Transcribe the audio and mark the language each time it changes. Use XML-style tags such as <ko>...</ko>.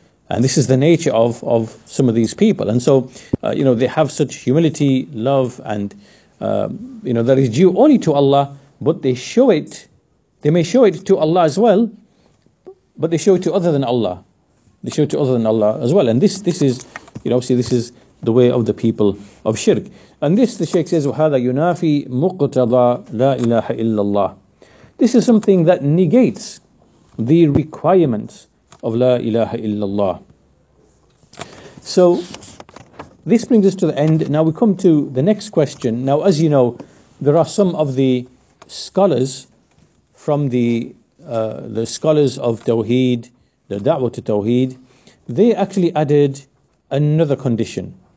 <en>And this is the nature of some of these people. And so, you know, they have such humility, love, and, you know, that is due only to Allah, but they show it, they may show it to Allah as well, but they show it to other than Allah. They show it to other than Allah as well. And this is, you know, obviously this is the way of the people of shirk. And this, the Shaykh says,</en> <ar>وَهَذَا يُنَافِي مُقْتَضَى لَا إِلَهَ إِلَّا اللَّهِ.</ar> <en>This is something that negates the requirements of La ilaha illallah. So, this brings us to the end. Now we come to the next question. Now, as you know, there are some of the scholars from the scholars of Tawheed, the Da'wah to Tawheed, they actually added another condition.</en>